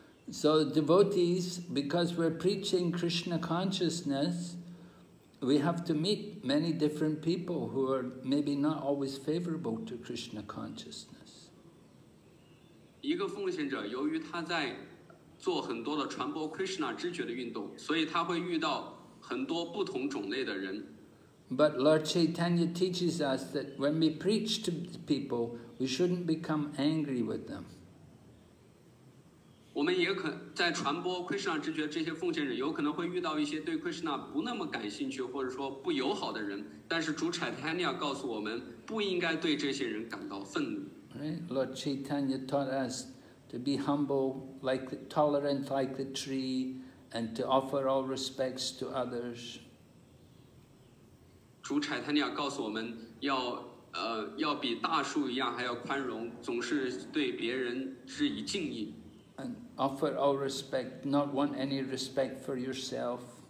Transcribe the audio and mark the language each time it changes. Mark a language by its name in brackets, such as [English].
[English] So devotees, because we're preaching Krishna consciousness, we have to meet many different people who are maybe not always favorable to Krishna consciousness. [Chinese] 一个奉献者由于他在做很多的传播 Krishna 知觉的运动，所以他会遇到很多不同种类的人。 [English] But Lord Chaitanya teaches us that when we preach to people, we shouldn't become angry with them. [Chinese] 我们也可在传播 Krishna 知觉，这些奉献人有可能会遇到一些对 Krishna 不那么感兴趣或者说不友好的人。但是主 Chaitanya 告诉我们，不应该对这些人感到愤怒。 [English] Right? Lord Chaitanya taught us to be humble, like tolerant like the tree, and to offer all respects to others. [Chinese] 主柴坦尼亚告诉我们要要比大树一样还要宽容，总是对别人致以敬意。 [English] And offer all respect, not want any respect for yourself.